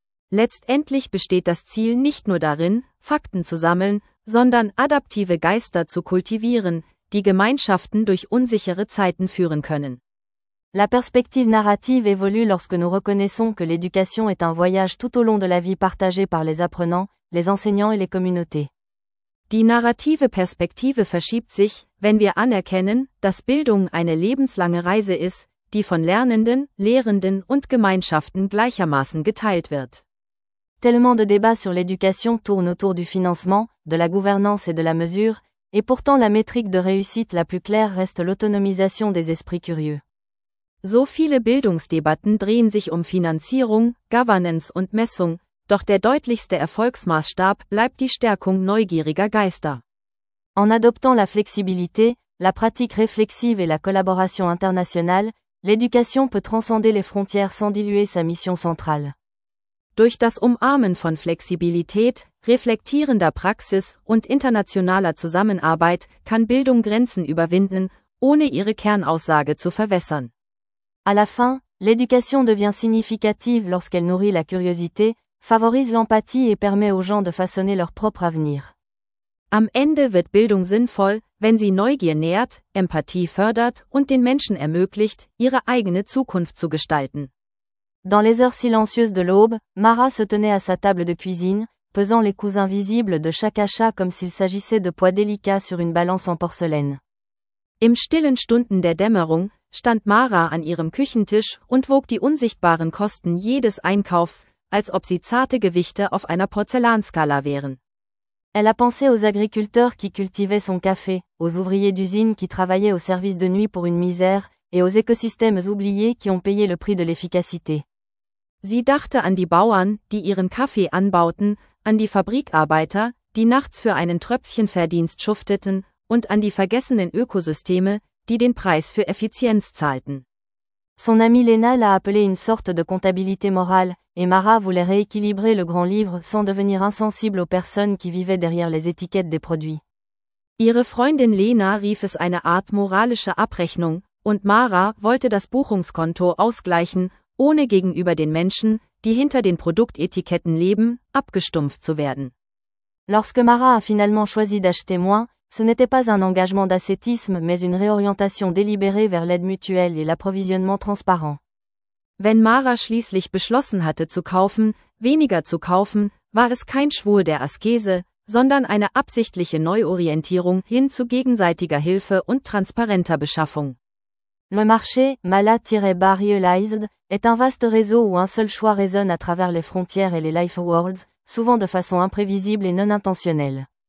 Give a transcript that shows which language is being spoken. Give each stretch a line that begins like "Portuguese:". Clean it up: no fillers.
German: Letztendlich besteht das Ziel nicht nur darin, Fakten zu sammeln, sondern adaptive Geister zu kultivieren, die Gemeinschaften durch unsichere Zeiten führen können.
French: La perspective narrative évolue lorsque nous reconnaissons que l'éducation est un voyage tout au long de la vie partagé par les apprenants, les enseignants et les communautés.
German: Die narrative Perspektive verschiebt sich, wenn wir anerkennen, dass Bildung eine lebenslange Reise ist, die von Lernenden, Lehrenden und Gemeinschaften gleichermaßen geteilt wird.
French: Tellement de débats sur l'éducation tournent autour du financement, de la gouvernance et de la mesure, et pourtant la métrique de réussite la plus claire reste l'autonomisation des esprits curieux.
German: So viele Bildungsdebatten drehen sich um Finanzierung, Governance und Messung, doch der deutlichste Erfolgsmaßstab bleibt die Stärkung neugieriger Geister.
French: En adoptant la flexibilité, la pratique réflexive et la collaboration internationale, l'éducation peut transcender les frontières sans diluer sa mission centrale.
German: Durch das Umarmen von Flexibilität, reflektierender Praxis und internationaler Zusammenarbeit kann Bildung Grenzen überwinden, ohne ihre Kernaussage zu verwässern.
French: À la fin, l'éducation devient significative lorsqu'elle nourrit la curiosité, favorise l'empathie et permet aux gens de façonner leur propre avenir.
German: Am Ende wird Bildung sinnvoll, wenn sie Neugier nährt, Empathie fördert und den Menschen ermöglicht, ihre eigene Zukunft zu gestalten.
French: Dans les heures silencieuses de l'aube, Mara se tenait à sa table de cuisine, pesant les coups invisibles de chaque achat comme s'il s'agissait de poids délicats sur une balance en porcelaine.
German: Im stillen Stunden der Dämmerung stand Mara an ihrem Küchentisch und wog die unsichtbaren Kosten jedes Einkaufs, als ob sie zarte Gewichte auf einer Porzellanskala wären.
French: Elle a pensé aux agriculteurs qui cultivaient son café, aux ouvriers d'usine qui travaillaient au service de nuit pour une misère, et aux écosystèmes oubliés qui ont payé le prix de l'efficacité.
German: Sie dachte an die Bauern, die ihren Kaffee anbauten, an die Fabrikarbeiter, die nachts für einen Tröpfchenverdienst schufteten, und an die vergessenen Ökosysteme, die den Preis für Effizienz zahlten.
French: Son amie Lena l'a appelé une sorte de comptabilité morale, et Mara voulait rééquilibrer le grand livre sans devenir insensible aux personnes qui vivaient derrière les étiquettes des produits.
German: Ihre Freundin Lena rief es eine Art moralische Abrechnung, und Mara wollte das Buchungskonto ausgleichen, ohne gegenüber den Menschen, die hinter den Produktetiketten leben, abgestumpft zu werden.
French: Lorsque Mara a finalement choisi d'acheter moins, ce n'était pas un engagement d'ascétisme, mais une réorientation délibérée vers l'aide mutuelle et l'approvisionnement transparent.
German: Wenn Mara schließlich beschlossen hatte zu kaufen, weniger zu kaufen, war es kein Schwur der Askese, sondern eine absichtliche Neuorientierung hin zu gegenseitiger Hilfe und transparenter Beschaffung.
French: Le marché, Mala-Barrealized, est un vaste réseau où un seul choix résonne à travers les frontières et les
English: life worlds,
French: souvent de façon imprévisible et non intentionnelle.